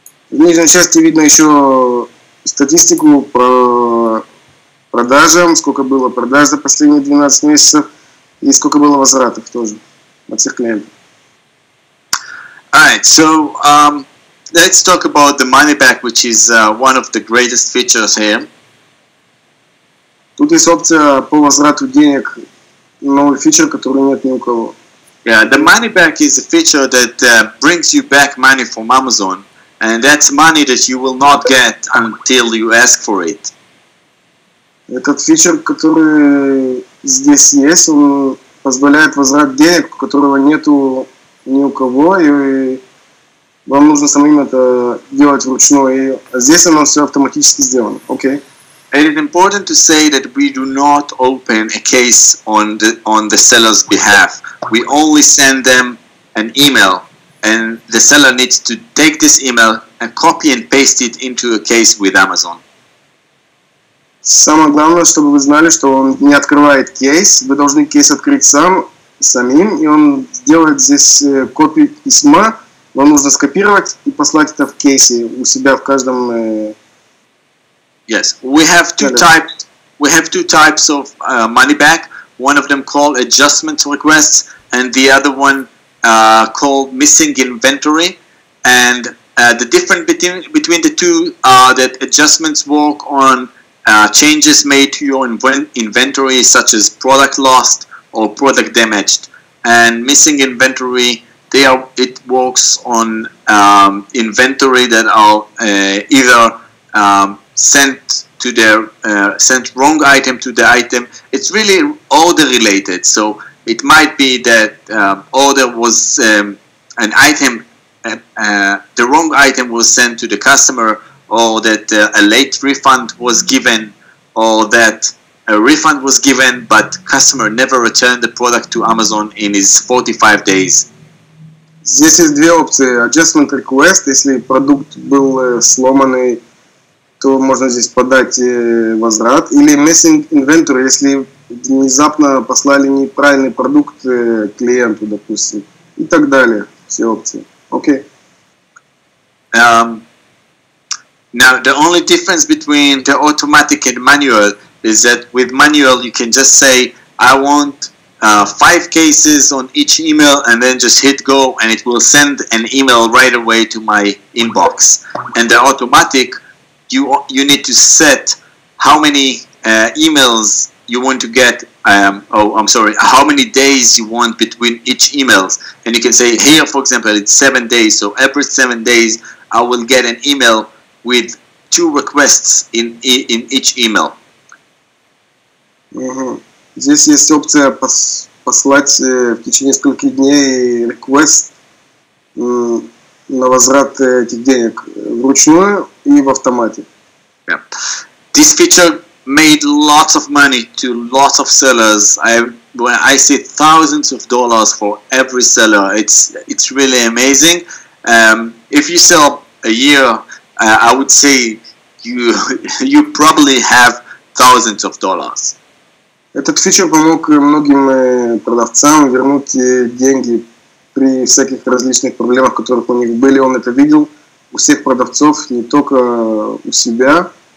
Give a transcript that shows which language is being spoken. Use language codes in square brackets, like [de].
[ru] В нижней части видно еще статистику по продажам, сколько было продаж за последние 12 месяцев и сколько было возвратов тоже от всех клиентов. [en] Alright, so let's talk about the money back, which is one of the greatest features here. [ru] Тут есть опция по возврату денег, новый фичер, который нет ни у кого. [en] Yeah, the money back is a feature that brings you back money from Amazon, and that's money that you will not get until you ask for it. [ru] Этот фичер, который здесь есть, он позволяет возврат денег, которого нету ни у кого, и вам нужно самим это делать вручную. А здесь оно все автоматически сделано. [en] Okay. It is important to say that we do not open a case on the seller's behalf. We only send them an email, and the seller needs to take this email and copy and paste it into a case with Amazon. [ru] Самое главное, чтобы вы знали, что он не открывает кейс. Вы должны кейс открыть самим, и он сделает здесь копию письма. Вам нужно скопировать и послать это в кейсе у себя в каждом. [en] Yes, we have two types of money back. One of them called adjustment requests, and the other one called missing inventory. And the difference between the two are that adjustments work on changes made to your inventory, such as product lost or product damaged. and missing inventory, they are, it works on inventory that are either sent to their sent wrong item to the item. It's really order related. So it might be that order was an item, the wrong item was sent to the customer, or that a late refund was given, or that a refund was given but customer never returned the product to Amazon in his 45 days. [ru] Здесь есть две опции. Adjustment request, если продукт был сломанный, то можно здесь подать возврат. Или missing inventory, если внезапно послали неправильный продукт клиенту, допустим. И так далее. Все опции. Окей. [en] Now, the only difference between the automatic and manual is that with manual, you can just say, I want five cases on each email, and then just hit go, and it will send an email right away to my inbox. And the automatic, you need to set how many emails you want to get, how many days you want between each emails. And you can say, here, for example, it's 7 days, so every 7 days, I will get an email with two requests in each email. [ru] Здесь есть опция послать в течение нескольких дней request на возврат этих денег вручную и в автомате. [en] Yeah. This feature made lots of money to lots of sellers. I see thousands of dollars for every seller. It's really amazing. If you sell a year, I would say you probably have thousands of dollars. [ru] Этот фичер помог многим продавцам вернуть деньги при всяких различных проблемах, которых у них были. Он это видел у всех продавцов, не только у себя.